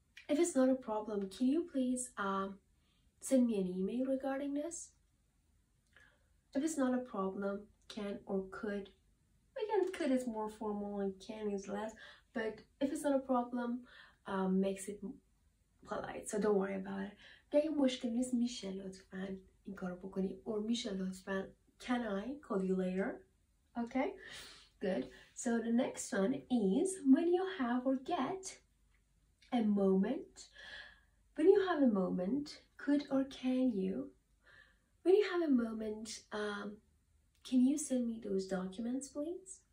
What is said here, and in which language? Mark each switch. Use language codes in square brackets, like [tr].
[en] If it's not a problem, can you please send me an email regarding this? If it's not a problem, can or could. Again, could is more formal and can is less. But if it's not a problem, makes it polite, so don't worry about it. [fa] اگه مشکل نیست میشه لطفا این کارو بکنی, or میشه لطفا [en] can I call you later? Okay, good. So the next one is, when you have or get a moment, when you have a moment, could or can you? When you have a moment, can you send me those documents, please?